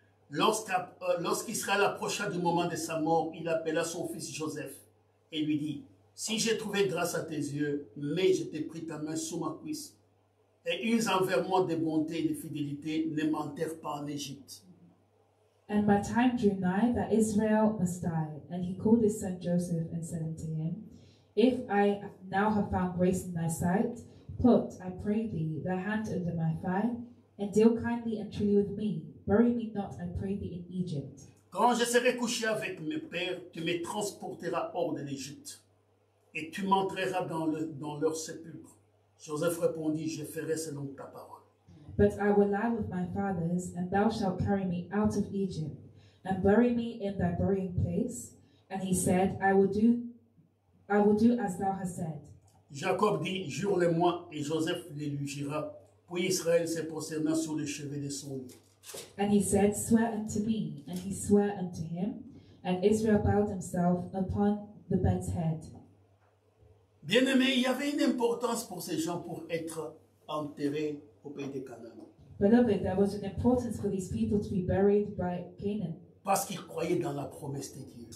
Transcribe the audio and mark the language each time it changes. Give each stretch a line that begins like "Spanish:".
French: Lorsqu'Israël approcha du moment de sa mort, il appela son fils Joseph et lui dit, « Si j'ai trouvé grâce à tes yeux, mais je t'ai pris ta main sous ma cuisse, et use envers moi de bonté et de fidélité, ne m'enterre pas en Égypte. »
English: And my time drew nigh that Israel must die. And he called his son Joseph and said unto him, « If I now have found grace in thy sight, put, I pray thee, thy hand under my thigh, and deal kindly and truly with me. Bury me not, I pray thee, in Egypt.
French: Quand je serai couché avec mes pères, tu me transporteras hors de l'Égypte, et tu m'entreras dans leur sépulcre. Joseph répondit, je ferai selon ta parole.
English: But I will lie with my fathers, and thou shalt carry me out of Egypt, and bury me in thy burying place. And he said, I will do as thou hast said.
French: Jacob dit, jure-le-moi, et Joseph le lui jura. Puis Israël se prosterna sur le chevet de son lit.
English: And he said, swear unto me, and he swore unto him, and Israel bowed himself upon the bed's head.
French: Bien-aimé, il y avait une importance pour ces gens pour être enterrés au pays de Canaan.
English: Beloved, there was an importance for these people to be buried by Canaan.
French: Parce qu'ils croyaient dans la promesse de Dieu.